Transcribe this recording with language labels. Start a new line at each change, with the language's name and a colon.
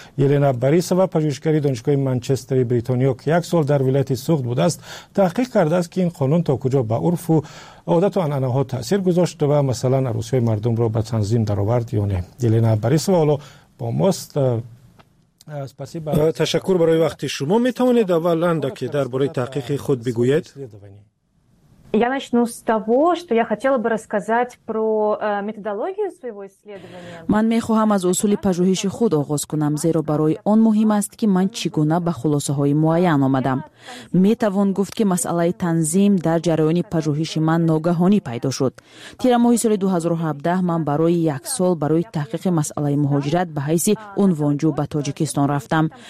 Persian: یلنا بریسوا پژوهشگر دانشگاه منچستر بریتانیا که یک سال در ولایت سوخت بوده است، تحقیق کرده است که این قانون تا کجا به عرف و عادت و عنعنه ها تاثیر گذاشت و مثلا عروسی مردم را به تنظیم درآورد یا نه. یلنا بریسوا با ماست. تشکر برای وقت شما. می توانید اول لندا که در باره تحقیق خود بگوید؟
Russian: Я начну с того, что я хотела бы рассказать про методологию своего исследования.
Tajik: Ман мехоҳам аз усули пажуҳиши худ оғоз кунам, зеро барои он муҳим аст ки ман чӣ гуна ба хулосаҳои муайян омадам. Метавон гуфт ки масъалаи танзим дар ҷараёни пажуҳиши ман ногаҳонӣ пайдо шуд. Тира моҳи соли 2017 ман барои як сол барои таҳқиқи масъалаи муҳоҷират ба ҳайси унвонҷӯ ба Тоҷикистон рафтам.